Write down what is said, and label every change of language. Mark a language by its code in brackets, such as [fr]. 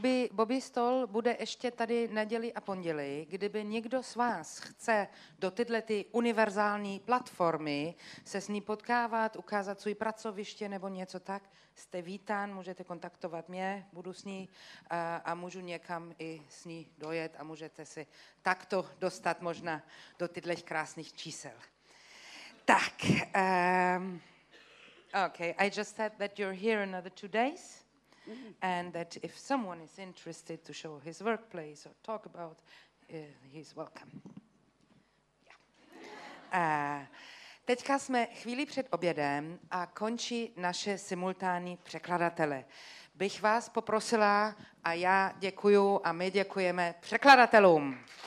[cs] Bobby Stoll bude ještě tady neděli a pondělí. Kdyby někdo z vás chce do tyhle ty univerzální platformy se s ní potkávat, ukázat svůj pracoviště nebo něco tak, jste vítán, můžete kontaktovat mě, budu s ní a můžu někam i s ní dojet a můžete si takto dostat možná do tyhle krásných čísel. Tak, [en] I just said that you're here another 2 days. And that if someone is interested to show his workplace or talk about, he's welcome. Yeah. [cs] Teďka jsme chvíli před obědem a končí naše simultánní překladatele. Bych vás poprosila a já děkuju a my děkujeme překladatelům.